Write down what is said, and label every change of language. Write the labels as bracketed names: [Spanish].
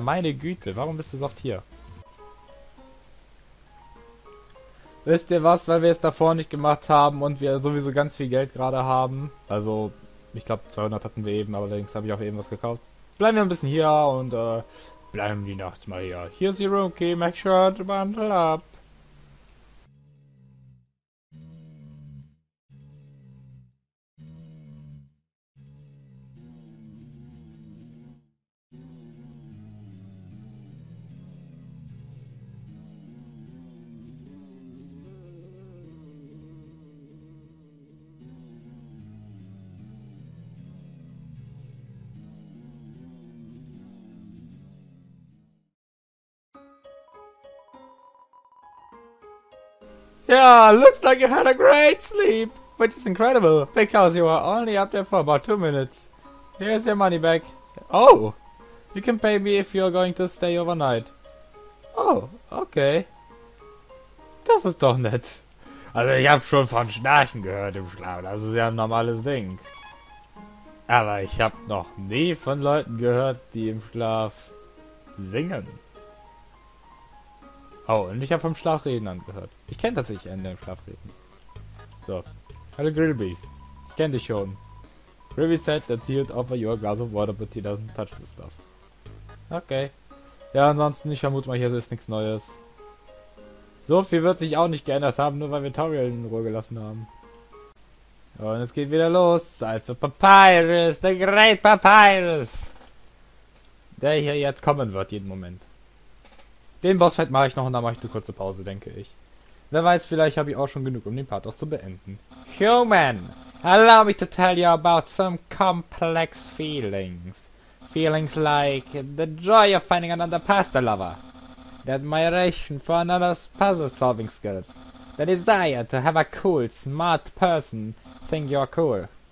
[German] Meine Güte, warum bist du so oft hier? Wisst ihr was, weil wir es davor nicht gemacht haben und wir sowieso ganz viel Geld gerade haben. Also... Ich glaube, 200 hatten wir eben, allerdings habe ich auch eben was gekauft. Bleiben wir ein bisschen hier und bleiben die Nacht mal hier. [English] Here's your room key, make sure to bundle up. Yeah, looks like you had a great sleep. Which is incredible, because you were only up there for about 2 minutes. Here's your money back. Oh! You can pay me if you're going to stay overnight. [German] Oh, okay. Das ist doch nett. Also ich hab schon von Schnarchen gehört im Schlaf, das ist ja ein normales Ding. Aber ich hab noch nie von Leuten gehört, die im Schlaf singen. Oh, und ich hab vom Schlafreden angehört. Ich kenn tatsächlich einen, der im Schlaf reden. So. Hallo Grillbees. Ich kenn dich schon. [English] Grillbees said that he'd offer you a glass of water, but he doesn't touch the stuff. Okay. [German] Ja, ansonsten, ich vermute mal, hier ist nichts Neues. So viel wird sich auch nicht geändert haben, nur weil wir Toriel in Ruhe gelassen haben. Und es geht wieder los. Zeit für Papyrus, der Great Papyrus. Der hier jetzt kommen wird, jeden Moment. Den Bossfight mache ich noch und dann mache ich eine kurze Pause, denke ich. Wer weiß, vielleicht habe ich auch schon genug, um den Part auch zu beenden. [English] Human, allow me to tell you about some complex feelings. Feelings like the joy of finding another pasta lover. The admiration for another's puzzle-solving skills. The desire to have a cool, smart person think you're cool.